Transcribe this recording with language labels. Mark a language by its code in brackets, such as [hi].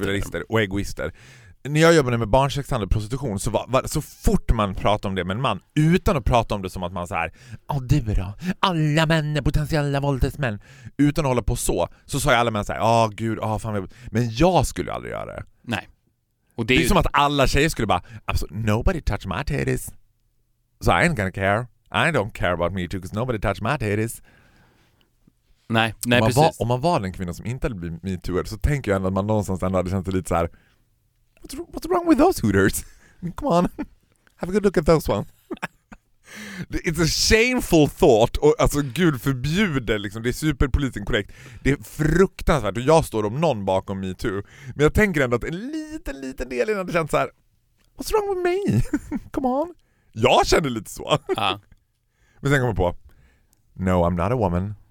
[sv] Individualister och egoister. När jag jobbade med barnsexhandel och prostitution så fort man pratar om det med en man utan att prata om det som att man så här, ja du då, alla män är potentiella våldtidsmän, utan att hålla på så sa jag alla män så här, åh gud, åh fan, men jag skulle aldrig göra det. Nej. Och det är ju som att alla tjejer skulle bara, [en] absolutely nobody touch my titties. So I ain't gonna care. I don't care about me too because nobody touch my titties. [sv] Nej, om man precis. Om man var den kvinna som inte hade blivit me too så tänker jag ändå att man någonstans ändå hade känt sig lite så här. [en] What's wrong with those hooters? I mean, come on. Have a good look at those ones. It's a shameful thought. [sv] Och, alltså, gud förbjuder. Liksom. Det är superpolitiskt korrekt. Det är fruktansvärt. Och jag står om någon bakom Me Too. Men jag tänker ändå att en liten, liten del innan det känns så här. [en] What's wrong with me? Come on. [sv] Jag känner lite så. Men sen kommer jag på. [en] No, I'm not a woman.